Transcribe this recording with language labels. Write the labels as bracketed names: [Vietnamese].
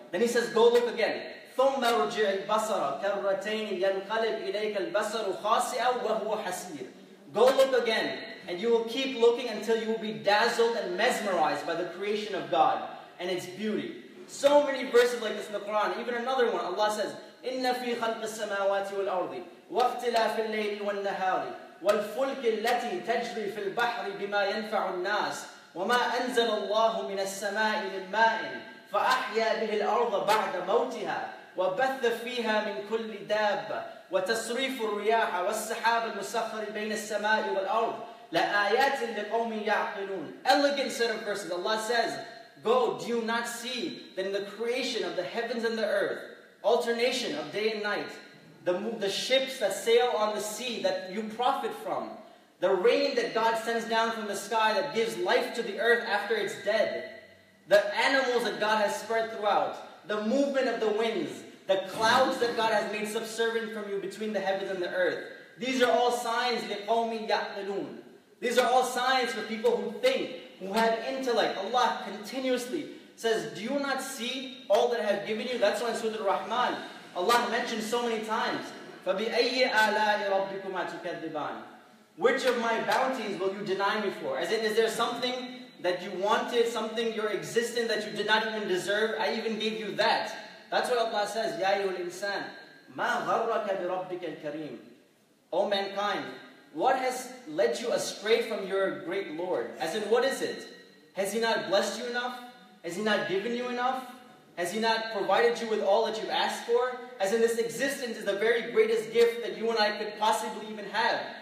[English] Then he says, go look again. [Arabic] ثُمَّ رُجِعِ الْبَصَرَ كَرَّتَيْنِ يَنْقَلِبْ إِلَيْكَ الْبَصَرُ خَاسِئًا وَهُوَ حَسِيرٌ. [English] Go look again, and you will keep looking until you will be dazzled and mesmerized by the creation of God and its beauty. So many verses like this in the Quran. Even another one, Allah says, [Arabic] إِنَّ فِي خَلْقِ السَّمَاوَاتِ وَالْأَرْضِ وَاخْتِلَافِ اللَّيْلِ وَالنَّهَارِ وَالْفُلْكِ الَّتِي تَجْرِي فِي الْبَحْرِ بِمَا يَنْفَعُ النَّاسِ وَمَا أَنزَلَ اللَّهُ مِنَ السَّمَاءِ مِنْ مَاءٍ فَأَحْيَى بِهِ الْأَرْضَ بَعْدَ مَوْتِهَا وَبَثَّ فِيهَا مِنْ كُلِّ دَابَّةٍ وَتَصْرِيفُ الرِّيَاحَ وَالسَّحَابِ الْمُسَخَّرِ بَيْنَ السَّمَاءِ وَالْأَرْضِ لَآيَاتٍ لِقَوْمٍ يَعْقِلُونَ. [English] Elegant set of verses. Allah says, go, do you not see that in the creation of the heavens and the earth, alternation of day and night, the ships that sail on the sea that you profit from, the rain that God sends down from the sky that gives life to the earth after it's dead, the animals that God has spread throughout, the movement of the winds, the clouds that God has made subservient from you between the heavens and the earth. These are all signs, [Arabic] لِقَوْمِ يَعْقِلُونَ. [English] These are all signs for people who think, who have intellect. Allah continuously says, do you not see all that I have given you? That's why in Surah Al-Rahman, Allah mentioned so many times, [Arabic] فَبِأَيِّ أَعْلَاءِ رَبِّكُمَا تُكَذِّبَانِ. [English] Which of my bounties will you deny me for? As in, is there something that you wanted, something your existence that you did not even deserve? I even gave you that. That's what Allah says, [Arabic] يَا أَيُّهَا الْإِنسَانِ مَا غَرَّكَ بِرَبِّكَ الْكَرِيمِ. [English] O mankind, what has led you astray from your great Lord? As in, what is it? Has He not blessed you enough? Has He not given you enough? Has He not provided you with all that you've asked for? As in, this existence is the very greatest gift that you and I could possibly even have.